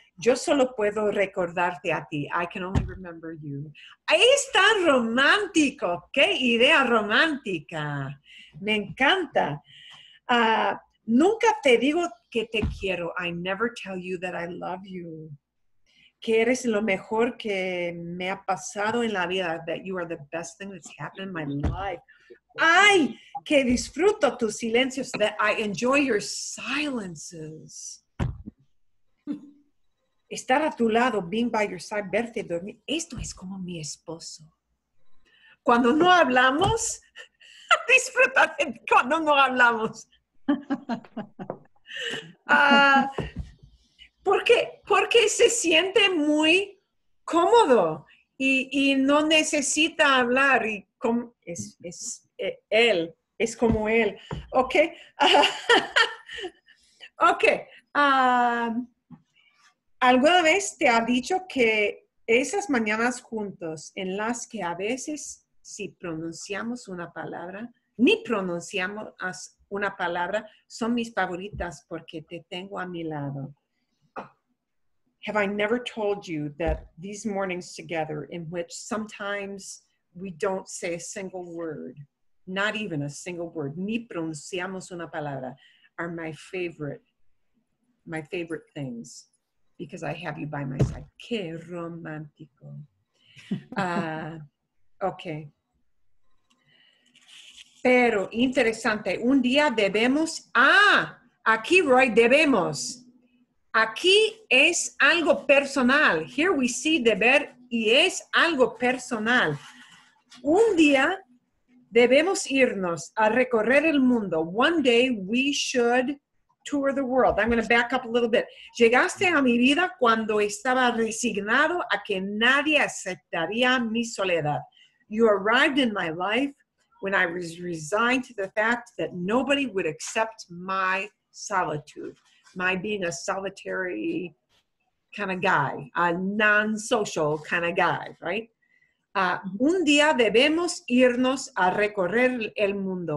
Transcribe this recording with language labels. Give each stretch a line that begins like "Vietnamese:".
Spanish: Yo solo puedo recordarte a ti.
English: I can only remember you.
Spanish: ¡Es tan romántico! ¡Qué idea romántica! ¡Me encanta! Nunca te digo que te quiero.
English: I never tell you that I love you.
Spanish: Que eres lo mejor que me ha pasado en la vida.
English: That you are the best thing that's happened in my life.
Spanish: ¡Ay! Que disfruto tus silencios.
English: That I enjoy your silences.
Spanish: Estar a tu lado,
English: being by your side,
Spanish: verte dormir. Esto es como mi esposo. Cuando no hablamos, disfruta de cuando no hablamos. Porque se siente muy cómodo y no necesita hablar. Y como, él, es como él. Ok. Ok. ¿Alguna vez te ha dicho que esas mañanas juntos en las que a veces si pronunciamos una palabra, ni pronunciamos una palabra, son mis favoritas porque te tengo a mi lado?
English: Have I never told you that these mornings together in which sometimes we don't say a single word, not even a single word,
Spanish: ni pronunciamos una palabra,
English: are my favorite things? Because I have you by my side.
Spanish: Qué romántico. Okay. Pero interesante. Un día debemos. Aquí Roy, debemos. Aquí es algo personal.
English: Here we see deber
Spanish: y es algo personal. Un día debemos irnos a recorrer el mundo.
English: One day we should tour the world. I'm going to back up a little bit.
Spanish: Llegaste a mi vida cuando estaba resignado a que nadie aceptaría mi soledad.
English: You arrived in my life when I was resigned to the fact that nobody would accept my solitude, my being a solitary kind of guy, a non-social kind of guy, right?
Spanish: Un día debemos irnos a recorrer el mundo.